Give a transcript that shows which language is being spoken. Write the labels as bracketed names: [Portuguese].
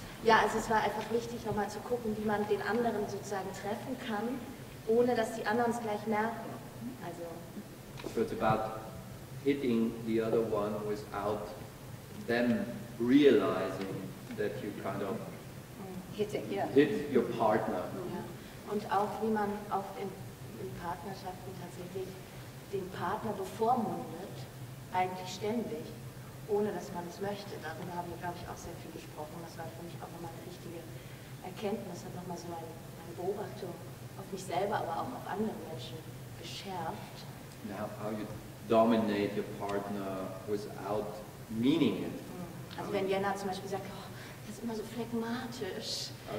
[German] Also es war einfach wichtig, nochmal zu gucken, wie man den anderen sozusagen treffen kann, ohne dass die anderen es gleich merken. Also. [English] So it's about hitting the other one without them realizing that you kind of hit your partner. Yeah. [German] Und auch wie man oft in Partnerschaften tatsächlich den Partner bevormundet, eigentlich ständig, ohne dass man es möchte. Darüber haben wir, glaube ich, auch sehr viel gesprochen. Das war für mich auch nochmal eine richtige Erkenntnis, hat nochmal so eine Beobachtung auf mich selber, aber auch auf andere Menschen geschärft. [English] How you dominate your partner without meaning it. [German] Also wenn Jenna zum Beispiel sagt, oh, das ist immer so phlegmatisch.